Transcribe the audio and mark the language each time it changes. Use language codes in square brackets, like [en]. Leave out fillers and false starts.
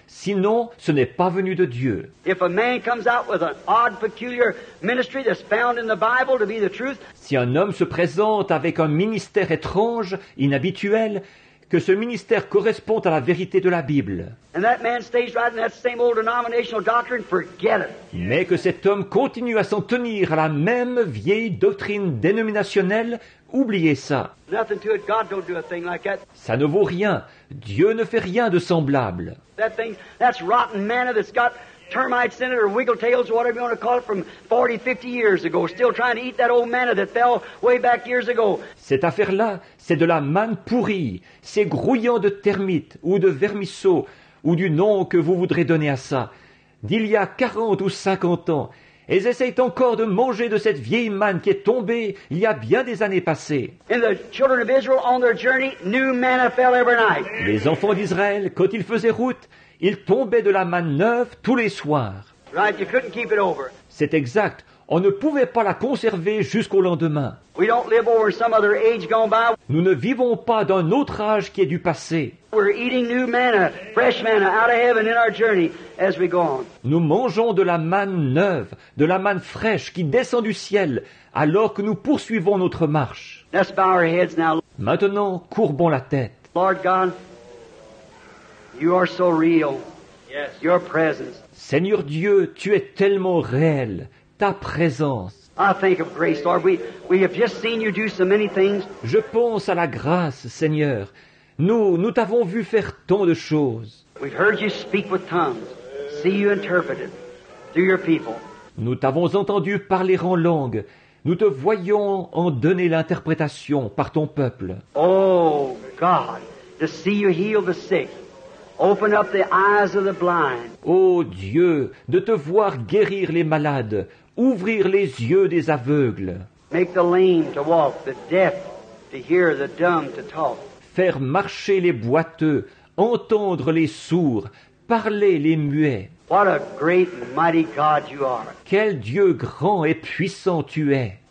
[fr] Sinon, ce n'est pas venu de Dieu. [en] If a man comes out with an odd, peculiar ministry that's found in the Bible to be the truth. [fr] Si un homme se présente avec un ministère étrange, inhabituel, que ce ministère corresponde à la vérité de la Bible. [en] And that man stays right in that same old denominational doctrine. Forget it. [fr] Mais que cet homme continue à s'en tenir à la même vieille doctrine dénominationnelle. Oubliez ça. [en] Nothing to it. God don't do a thing like that. [fr] Ça ne vaut rien. Dieu ne fait rien de semblable. [en] That thing, that's rotten manna that's got termites in it or wiggle tails or whatever you want to call it from 40, 50 years ago. Still trying to eat that old manna that fell way back years ago. [fr] Cette affaire-là, c'est de la manne pourrie. C'est grouillant de termites ou de vermisseaux ou du nom que vous voudrez donner à ça. D'il y a 40 ou 50 ans. Et ils essayent encore de manger de cette vieille manne qui est tombée il y a bien des années passées. [en] And the children of Israel, on their journey, new manna fell every night. [fr] Les enfants d'Israël, quand ils faisaient route, ils tombaient de la manne neuve tous les soirs. [en] Right, you couldn't keep it over. [fr] C'est exact. On ne pouvait pas la conserver jusqu'au lendemain. [en] We don't live over some other age gone by. [fr] Nous ne vivons pas d'un autre âge qui est du passé. [en] We're eating new manna, fresh manna, out of heaven in our journey as we go on. [fr] Nous mangeons de la manne neuve, de la manne fraîche qui descend du ciel alors que nous poursuivons notre marche. [en] Let's bow our heads now. [fr] Maintenant, courbons la tête. [en] Lord God, you are so real. Yes. Your presence. [fr] Seigneur Dieu, tu es tellement réel. Ta présence. [en] I think of grace, Lord. We have just seen you do so many things. [fr] Je pense à la grâce, Seigneur. Nous t'avons vu faire tant de choses. [en] We've heard you speak with tongues. See you interpreted through your people. [fr] Nous t'avons entendu parler en langue. Nous te voyons en donner l'interprétation par ton peuple. [en] Oh God, to see you heal the sick. Open up the eyes of the blind. [fr] Oh Dieu, de te voir guérir les malades, ouvrir les yeux des aveugles. [en] Make the lame to walk, the deaf to hear, the dumb to talk. [fr] Faire marcher les boiteux, entendre les sourds, parler les muets. [en] What a great mighty God you are. [fr] Quel Dieu grand et puissant tu es.